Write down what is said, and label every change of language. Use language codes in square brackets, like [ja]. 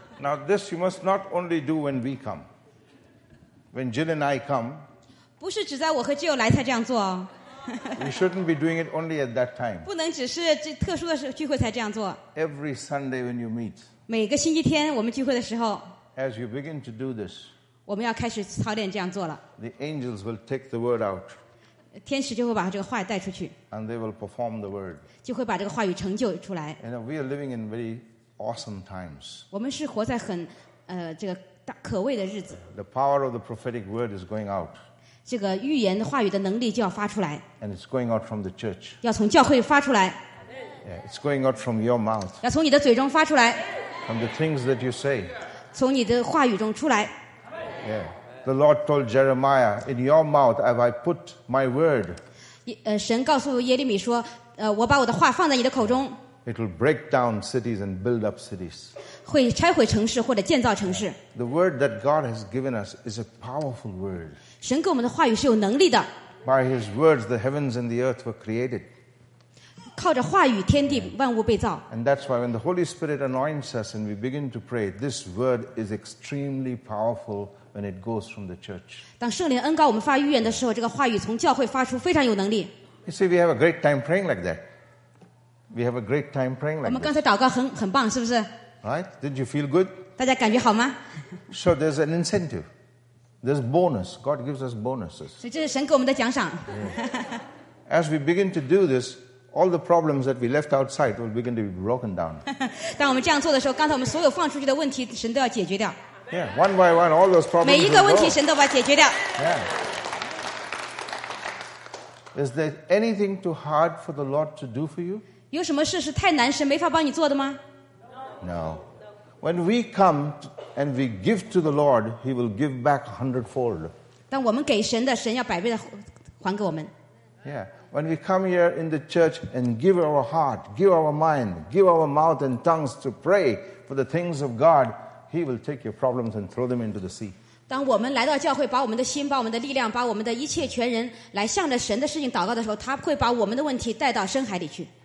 [en] Now this you must not only do when we come. When Jill and I come. [zh] 不是只在我和 Jill 来才这样做哦。 [en] We shouldn't be doing it only at that time. [zh] 不能只是特殊的聚会才这样做。 [en] Every Sunday when you meet. [zh] 每个星期天我们聚会的时候。 [en] As you begin to do this. [zh] 我们要开始操练这样做了。 [en] The angels will take the word out. [zh] 天使就会把这个话带出去。 [en] And they will perform the word. [zh] 就会把这个话语成就出来。 [en] You know, we are living in very awesome times. [zh] 我们是活在很这个大可畏的日子。 [en] The power of the prophetic word is going out. [zh] 这个预言话语的能力就要发出来 [en] and it's going out from the church. [zh] 要从教会发出来 [en] yeah, it's going out from your mouth. [zh] 要从你的嘴中发出来 [en] from the things that you say. [zh] 从你的话语中出来 [en] yeah. The Lord told Jeremiah, in your mouth have I put my word. [zh] 神告诉耶利米说我把我的话放在你的口中 [en] It will break down cities and build up cities. [zh] 会拆毁城市或者建造城市 [en] The word that God has given us is a powerful word. [zh] 神给我们的话语是有能力的。 [en] By His words, the heavens and the earth were created. [zh] 靠着话语，天地万物被造。 [en] And that's why when the Holy Spirit anoints us and we begin to pray, this word is extremely powerful when it goes from the church. [zh] 当圣灵恩膏我们发预言的时候，这个话语从教会发出，非常有能力。 [en] You see, we have a great time praying like that. We have a great time praying like that. [zh] 我们刚才祷告很棒，是不是 [en] ？Right? Did you feel good? [zh] 大家感觉好吗 [en] ？So there's an incentive. There's bonus. God gives us bonuses. [zh] 所以这是神给我们的奖赏。 [en] As we begin to do this, all the problems that we left outside will begin to be broken down. [zh] 当我们这样做的时候，刚才我们所有放出去的问题，神都要解决掉。 [en] Yeah, one by one, all those problems. [zh] 每一个问题，神都把解决掉。 [en] Yeah. Is there anything too hard for the Lord to do for you? [zh] 有什么事是太难，神没法帮你做的吗 [en] ？No. When we come. And we give to the Lord, He will give back 100-fold. [zh] 当我们给神的，神要百倍的还给我们。 [en] Yeah, when we come here in the church and give our heart, give our mind, give our mouth and tongues to pray for the things of God, He will take your problems and throw them into the sea. [zh] 当我们来到教会，把我们的心、把我们的力量、把我们的一切全人来向着神的事情祷告的时候，他会把我们的问题带到深海里去。